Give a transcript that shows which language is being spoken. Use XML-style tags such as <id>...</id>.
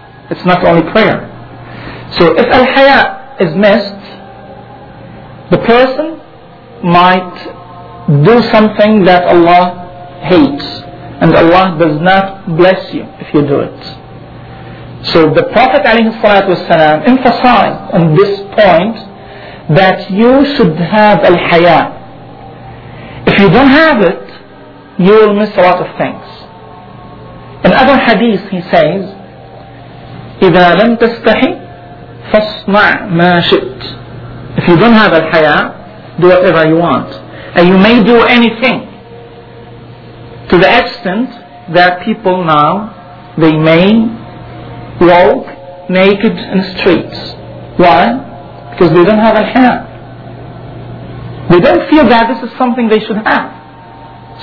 <en>It's not only prayer. So if al-haya is missed, the person might do something that Allah hates, and Allah does not bless you if you do it. So the Prophet ﷺ emphasized on this point that you should have al-haya. If you don't have it, you will miss a lot of things. In other hadith he says,</en> <ar>إذا لم تستحي فاصنع ما شئت.</ar> <en>If you don't have al-haya, do whatever you want. And you may do anything to the extent that people now, they may walk naked in the streets. Why? Because they don't have al-haya. They don't feel that this is something they should have.</en>